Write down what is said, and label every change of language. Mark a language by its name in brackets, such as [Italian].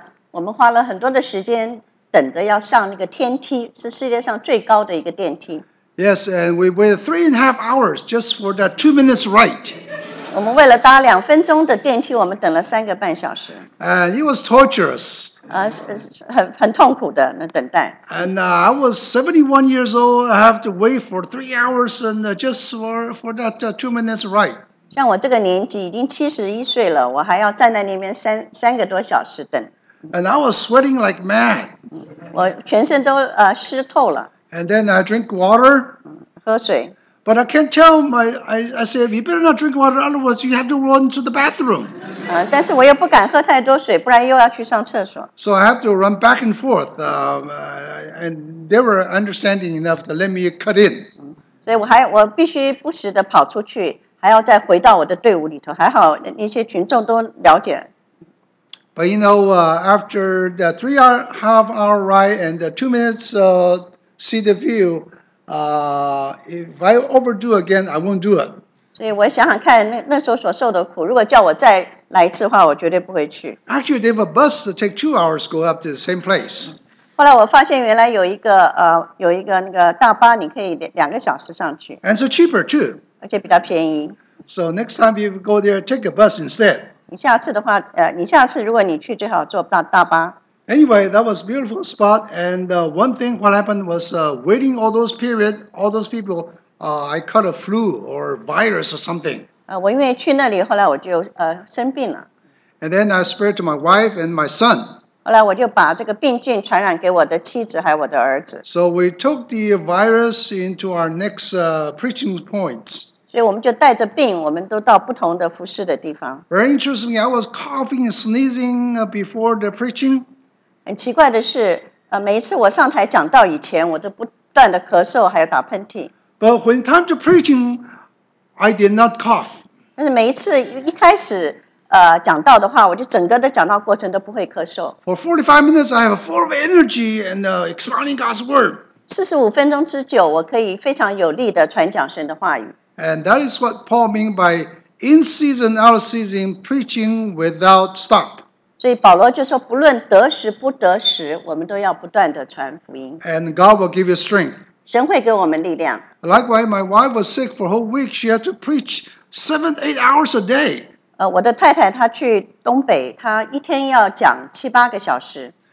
[Chinese] 我们花了很多的时间等着要上那个天梯，是世界上最高的一个电梯。 [English] Yes, and we waited 3.5 hours just for that 2 minutes ride. [Chinese] 我们为了搭两分钟的电梯，我们等了三个半小时。 [English] And it was torturous. [Chinese] 很痛苦的那等待。 [English] And I was 71 years old. I have to wait for 3 hours and just for that 2 minutes ride. [Chinese] 像我这个年纪已经71岁了，我还要站在那边三个多小时等。 [English] And I was sweating like mad. [Chinese] 我全身都湿透了。 [English] And then I drink water. [Chinese] 喝水。 [English] But I can't tell my, I say, you better not drink water, otherwise you have to run to the bathroom. [Chinese] 但是我又不敢喝太多水，不然又要去上厕所。 [English] So I have to run back and forth. And they were understanding enough to let me cut in. [Chinese] 所以我必须不时地跑出去，还要再回到我的队伍里头。还好那些群众都了解。 [English] But you know, after the 3.5 hour ride and the 2 minutes see the view, if I overdo again, I won't do it. [Chinese] 所以我想想看那时候所受的苦，如果叫我再来一次的话，我绝对不会去。 [English] Actually, they have a bus that takes 2 hours to go up to the same place. [Chinese] 后来我发现原来有一个那个大巴，你可以两个小时上去。 [English] And so cheaper too. [Chinese] 而且比较便宜。 [English] So next time you go there, take a bus instead. [Chinese] 你下次的话，你下次如果你去，最好坐大巴。 [English] Anyway, that was a beautiful spot, and one thing what happened was waiting all those period, all those people, I caught a flu or virus or something. [Chinese] 我因为去那里，后来我就生病了。 [English] And then I spread it to my wife and my son. [Chinese] 后来我就把这个病菌传染给我的妻子还有我的儿子。 [English] So we took the virus into our next preaching points. [Chinese] 所以我们就带着病，我们都到不同的服事的地方。 [English] Very interesting. I was coughing and sneezing before the preaching. [Chinese] 很奇怪的是，每一次我上台讲道以前，我都不断的咳嗽，还有打喷嚏。 [English] But when time to preaching, I did not cough. [Chinese] 但是每一次一开始讲道的话，我就整个的讲道过程都不会咳嗽。 [English] For 45 minutes, I have a full of energy and expounding God's word. [Chinese] 45分钟之久，我可以非常有力的传讲神的话语。 [English] And that is what Paul means by in season, out of season, preaching without stop. [Chinese] 所以保罗就说，不论得时不得时，我们都要不断地传福音。 [English] And God will give you strength. [Chinese] 神会给我们力量。 [English] Likewise, my wife was sick for a whole week. She had to preach 7-8 hours a day. [Chinese] 我的太太她去东北，她一天要讲7-8个小时。